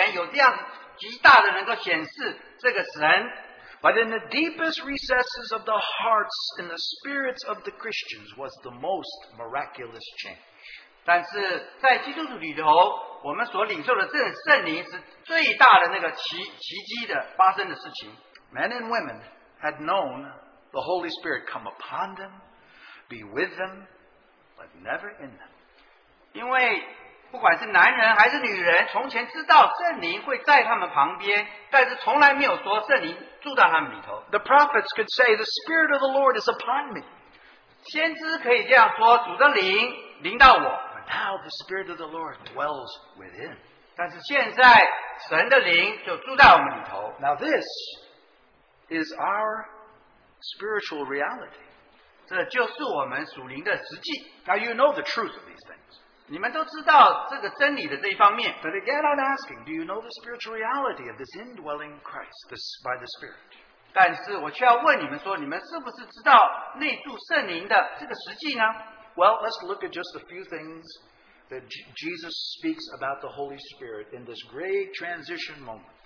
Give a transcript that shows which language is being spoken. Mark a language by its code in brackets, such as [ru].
[zh] 我们知道在母亲节那一天有风,有火,有那个方言,有这样极大的能够显示这个神。 [en] But in the deepest recesses of the hearts and the spirits of the Christians was the most miraculous change. [zh] 但是在基督徒里头, 我们所领受的圣灵是最大的那个奇迹的发生的事情。 [en] Men and women had known the Holy Spirit come upon them, be with them, but never in them. [zh] 因为不管是男人还是女人,从前知道圣灵会在他们旁边,但是从来没有说圣灵住到他们里头。 [en] The prophets could say, the Spirit of the Lord is upon me. [zh] 先知可以这样说,主的灵临到我。 [en] Now the Spirit of the Lord dwells within. [zh] 但是现在神的灵就住在我们里头。 [en] Now this is our spiritual reality. [zh] 这就是我们属灵的实际。 [en] Now you know the truth of these things. [zh] 你们都知道这个真理的这一方面。 [en] But again I'm asking, do you know the spiritual reality of this indwelling Christ, this by the Spirit? [zh] 但是我却要问你们说,你们是不是知道内住圣灵的这个实际呢? [en] Well, let's look at just a few things that Jesus speaks about the Holy Spirit in this great transition moment.